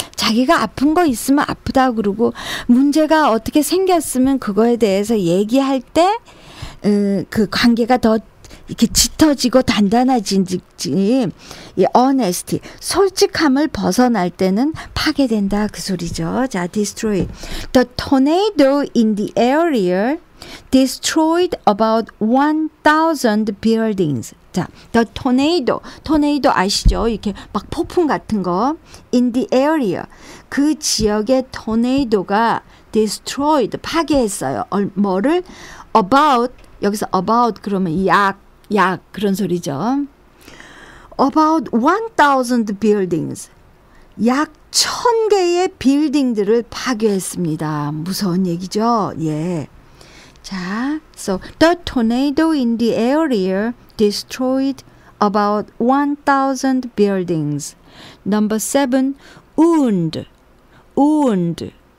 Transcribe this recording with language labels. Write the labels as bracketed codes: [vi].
[ko] 자기가 아픈 거 있으면 아프다 그러고, 문제가 어떻게 생겼으면 그거에 대해서 얘기할 때, 그 관계가 더 이렇게 짙어지고 단단해진지, 이 honesty, 솔직함을 벗어날 때는 파괴된다 그 소리죠. [en] 자, destroy. The tornado in the area destroyed about 1,000 buildings. [ko] 자, the tornado, tornado 아시죠? 이렇게 막 폭풍 같은 거. [en] In the area, [ko] 그 지역의 tornado가 destroyed, 파괴했어요. 뭐를? About, 여기서 about 그러면 약 그런 소리죠. [en] About 1,000 buildings. [ko] 약 1,000개의 빌딩들을 파괴했습니다. 무서운 얘기죠. 예. [en] 자, so the tornado in the area destroyed about 1,000 buildings. Number 7, wound. Wound.